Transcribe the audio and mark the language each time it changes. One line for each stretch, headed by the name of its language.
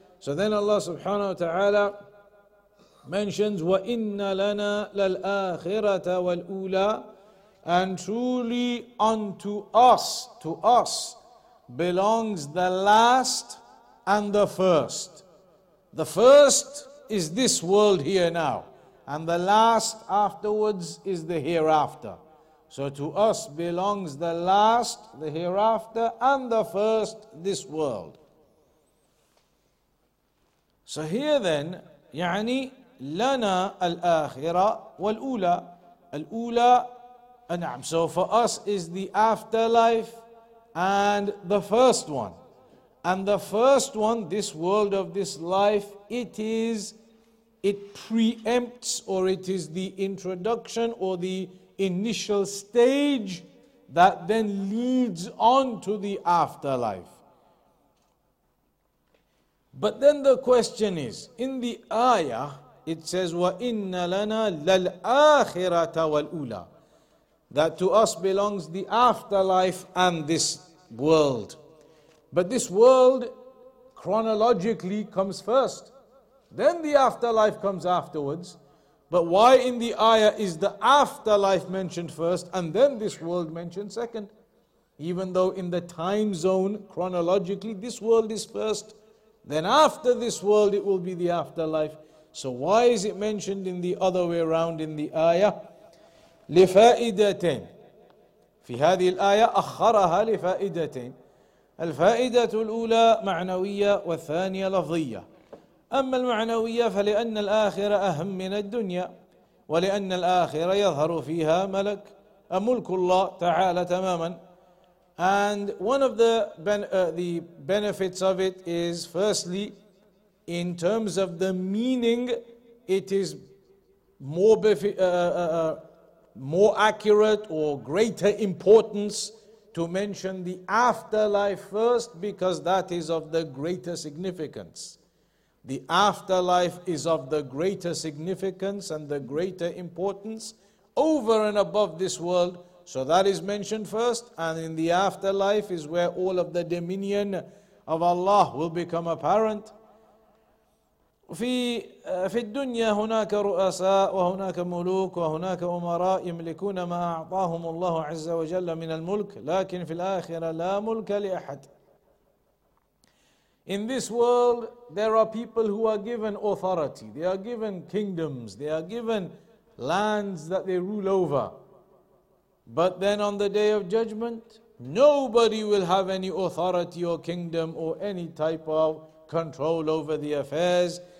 English: So then Allah subhanahu wa ta'ala mentions
Arabic: وَإِنَّ لَنَا لَلْآخِرَةَ وَالْأُولَى
English: And truly unto us, to us, belongs the last and the first. The first is this world here now, and the last afterwards is the hereafter. So to us belongs the last, the hereafter, and the first, this world. So here then,
Arabic: يعني لنا الآخرة والأولى الأولى نعم.
English: So for us is the afterlife and the first one. And the first one, this world of this life, it preempts, or it is the introduction or the initial stage that then leads on to the afterlife. But then the question is, in the ayah it says
Arabic: وَإِنَّ لَنَا لَلْآخِرَةَ وَالْأُولَى
English: that to us belongs the afterlife and this world. But this world chronologically comes first, then the afterlife comes afterwards. But why in the ayah is the afterlife mentioned first and then this world mentioned second? Even though in the time zone, chronologically, this world is first, then after this world it will be the afterlife. So why is it mentioned in the other way around in the ayah?
Arabic: لفائدتين في هذه الآية أخرها لفائدتين الفائدة الأولى معنوية والثانية لفظية أما المعنوية فلأن الآخرة أهم من الدنيا ولأن الآخرة يظهر فيها ملك ملك الله تعالى تماما.
English: And one of the benefits of it is, firstly, in terms of the meaning, it is more accurate or greater importance to mention the afterlife first, because that is of the greater significance. The afterlife is of the greater significance and the greater importance over and above this world. So that is mentioned first, and in the afterlife is where all of the dominion of Allah will become apparent.
Arabic: في الدنيا هناك رؤساء وهناك ملوك وهناك أمراء يملكون ما أعطاهم الله عز وجل من الملك لكن في الآخرة لا ملك لأحد.
English: In this world there are people who are given authority, they are given kingdoms, they are given lands that they rule over, but then on the day of judgment nobody will have any authority or kingdom or any type of control over the affairs.